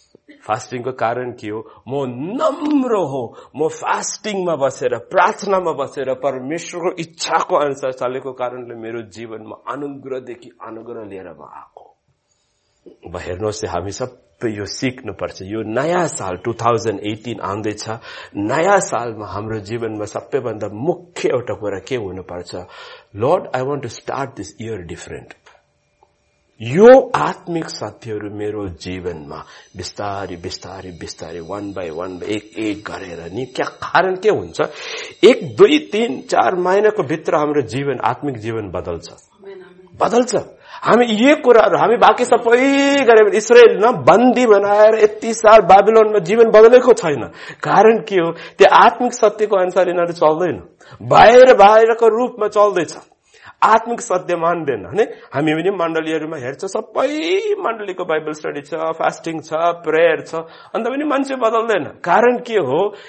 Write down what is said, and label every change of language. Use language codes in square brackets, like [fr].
[ne] फास्टिङको कारण के हो? म नम्र हो, म फास्टिङमा बसेर प्रार्थनामा बसेर परमेश्वरको इच्छाको अनुसार चलेको कारणले मेरो जीवनमा अनुग्रहदेखि अनुग्रह लिएर म आएको. हेर्नुहोस् हामी सबै यो सिक्नुपर्छ. यो नयाँ साल 2018 आउँदैछ, नयाँ सालमा हाम्रो जीवनमा सबैभन्दा मुख्य एउटा कुरा के हुनुपर्छ? [en] Lord I want to start this year different. [ne] यो आत्मिक साथीहरू मेरो जीवनमा बिस्तारी बिस्तारी बिस्तारी [en] one by one [ne] बाई एक एक गरेर नि. क्या कारण के हुन्छ? 1-2-3-4 महिनाको भित्र हाम्रो जीवन आत्मिक जीवन बदल्छ, बदल्छ हामी यो कुराहरू हामी बाँकी सबै गरे भने इसरायल न बन्दी बनाएर यति साल बाबिलोनमा जीवन बदलेको छैन कारण के हो त्यो आत्मिक सत्यको अनुसार यिनीहरू चल्दैन बाहिर बाहिरको रूपमा चल्दैछ आत्मिक सत्य मान्दैन होइन हामी पनि मण्डलीहरूमा हेर्छ सबै मण्डलीको बाइबल स्टडी छ फास्टिङ छ प्रेयर छ अन्त पनि मान्छे बदल्दैन कारण के हो